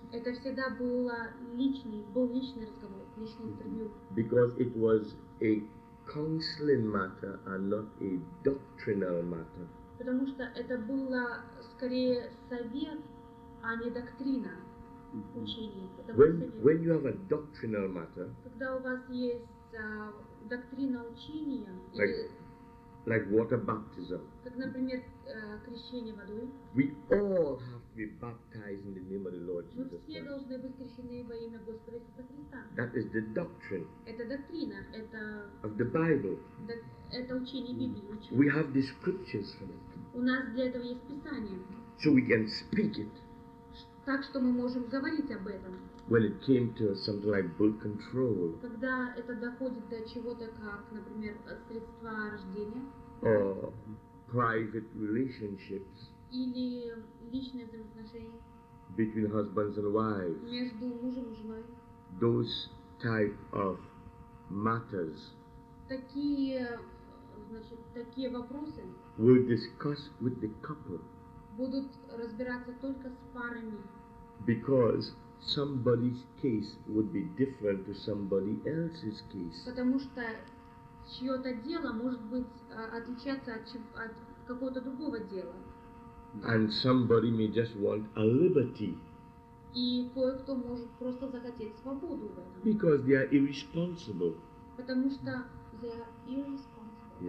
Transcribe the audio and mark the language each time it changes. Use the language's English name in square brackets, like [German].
[Russian] Это всегда было личный разговор, личное интервью. [English] Because it was a counseling matter and not a doctrinal matter. [Russian] Потому что это было скорее совет, а не доктрина. [English] When you have a doctrinal matter, [Russian] когда у вас есть доктрина учения, [English] like water baptism, [Russian] как, например, крещение водой, [English] we all have to be baptized in the name of the Lord Jesus Christ. [Russian] Мы все должны быть крещены во имя Господа Иисуса Христа. [English] That is the doctrine. [Russian] Это доктрина. Это [English] of the Bible. [Russian] Это учение Библии. [English] We have the scriptures for it. [Russian] У нас для этого есть Писание. [English] So we can speak it. [Russian] Так что мы можем говорить об этом. [English] When it came to something like birth control, [Russian] когда это доходит до чего-то, как, например, средства рождения, [English] or private relationships, [Russian] или личные взаимоотношения [English] between husbands and wives, [Russian] между мужем и женой, [English] those type of matters, [Russian] такие, значит, такие вопросы [English] will discuss with the couple. [Russian] Будут разбираться только с парами. [English] Because somebody's case would be different to somebody else's case. [Russian] Потому что чьё-то дело может быть отличаться от какого-то другого дела. [English] And somebody may just want a liberty. [Russian] И кое-кто может просто захотеть свободу в этом. [English] Because they are irresponsible. [Russian] Потому что [English] they are irresponsible. Yeah.